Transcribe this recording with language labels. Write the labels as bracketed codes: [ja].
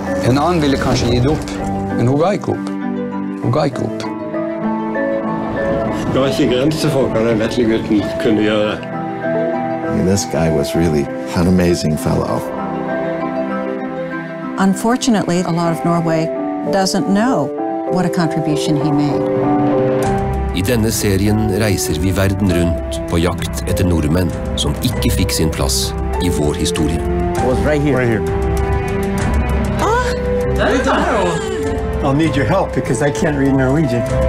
[no] En annen ville kanskje gitt opp, men hun ga ikke opp. Hun ga ikke opp. Det var ikke grenser for hva den vettelige gutten kunne gjøre. [en] I mean, this guy was really an amazing fellow. Unfortunately, a lot of Norway doesn't know what a contribution he made. [no] I denne serien reiser vi verden rundt på jakt etter nordmenn som ikke fikk sin plass i vår historie. [en] It was right here. Right here. Oh. I'll need your help because I can't read Norwegian.